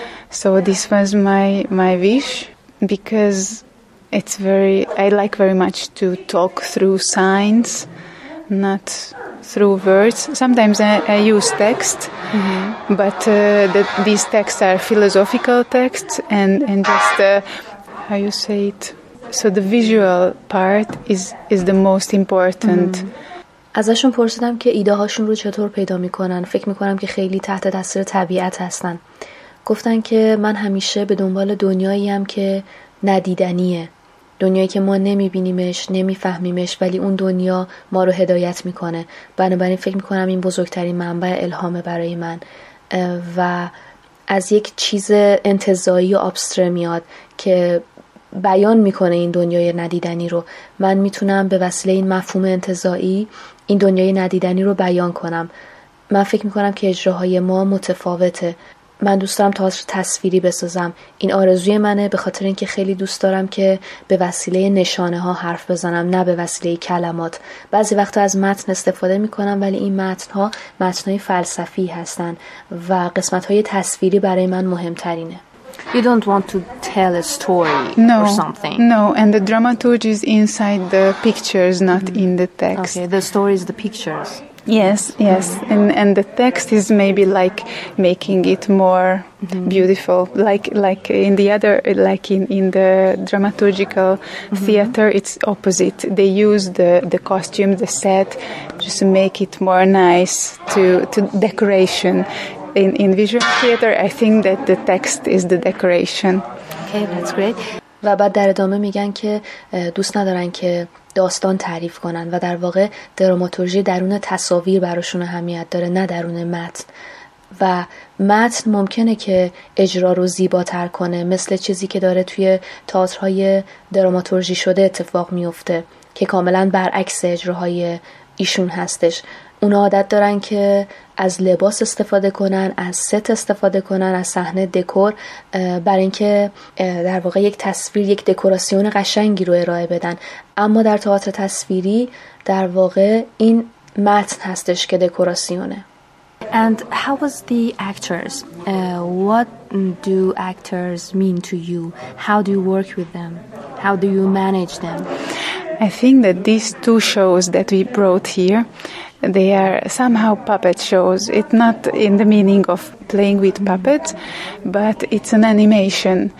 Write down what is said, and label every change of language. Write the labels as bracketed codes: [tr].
[en] So this was my wish, because I like very much to talk through signs, not through words. Sometimes I use text, mm-hmm. but these texts are philosophical texts, and just how you say it. So the visual part is the most important. [fa] ازشون پرسیدم که ایده هاشون رو چطور پیدا میکنن. فکر میکنم که خیلی تحت تاثیر طبیعت هستن. گفتن که من همیشه به دنبال دنیاییم که ندیدنیه. دنیایی که ما نمیبینیمش، نمیفهمیمش، ولی اون دنیا ما رو هدایت میکنه. بنابراین فکر میکنم این بزرگترین منبع الهام برای من و از یک چیز انتزاعی و ابستر میاد که بیان میکنه این دنیای ندیدنی رو. من میتونم به وسیله این مفهوم انتزاعی این دنیای ندیدنی رو بیان کنم. من فکر میکنم که اجراهای ما متفاوته. من دوست دارم تئاتر تصویری بسازم. این آرزوی منه، به خاطر اینکه خیلی دوست دارم که به وسیله نشانه ها حرف بزنم، نه به وسیله کلمات. بعضی وقتا از متن استفاده میکنم، ولی این متن ها متن های فلسفی هستن و قسمت های تصویری برای من مهمترینه. [en] You don't want to tell a story or something. No, and the dramaturgy is inside the pictures, not mm-hmm. in the text. Okay, the story is the pictures. Yes, yes, mm-hmm. and the text is maybe like making it more mm-hmm. beautiful. Like in the other, like in the dramaturgical mm-hmm. theater, it's opposite. They use the costume, the set, just to make it more nice to decoration. In visual theater, I think that the text is the decoration. Okay, that's great. [fa] و بعد در ادامه میگن که دوست ندارن که داستان تعریف کنن و در واقع دراماتورژی درون تصاویر براشون اهمیت داره، نه درون متن. و متن ممکنه که اجرا رو زیباتر کنه، مثل چیزی که داره توی تئاترهای دراماتورژی شده اتفاق میفته که کاملا برعکس اجراهای ایشون هستش. اونا عادت دارن که از لباس استفاده کنن، از ست استفاده کنن، از صحنه دکور، برای اینکه در واقع یک تصویر، یک دکوراسیون قشنگی رو ارائه بدن. اما در تئاتر تصویری در واقع این متن هستش که دکوراسیونه. [en] And how was the actors? What do actors mean to you? How do you work with them? How do you manage them? I think that these two shows that we brought here, they are somehow puppet shows. It's not in the meaning of playing with puppets, but it's an animation.